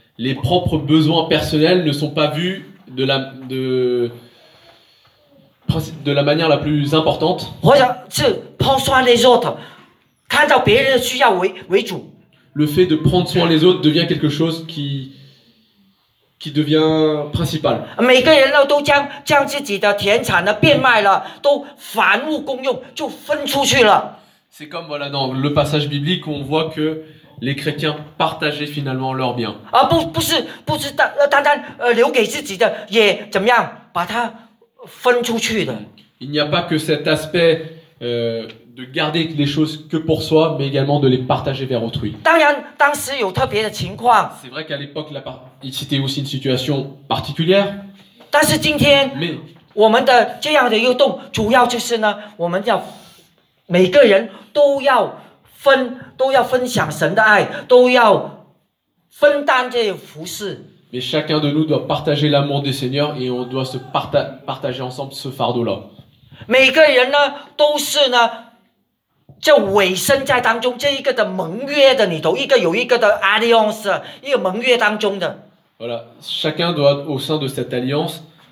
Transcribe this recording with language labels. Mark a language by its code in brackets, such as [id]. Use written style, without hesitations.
[fr] Les propres besoins personnels ne sont pas vus de la manière la plus importante. [zh] 或者是抛酸 [fr] les autres, [zh] 看到别人的需要为主。 [fr] Le fait de prendre soin les autres devient quelque chose qui devient principal. [zh] 每个人都 将自己的田产呢变卖了，都凡物公用，就分出去了。 [fr] C'est comme voilà dans le passage biblique où on voit que les chrétiens partageaient finalement leurs biens. [zh] 啊，不是单单留给自己的，也怎么样把它分出去的。 [fr] Il n'y a pas que cet aspect de garder les choses que pour soi, mais également de les partager vers autrui. [zh] 当然，当时有特别的情况。 [fr] C'est vrai qu'à l'époque, c'était aussi une situation particulière. [zh] 但是今天，我们的这样的运动，主要就是呢，我们要每个人都要分享神的爱，都要分担这服事。 [fr] Mais chacun de nous doit partager l'amour du Seigneur et on doit se partager ensemble ce fardeau-là. [zh] 每个人呢，都是呢。就委身在当中，这一个的盟约的里头，一个有一个的 alliance， 一个盟约当中的。 [fr] Voilà, chacun doit au sein de cette alliance,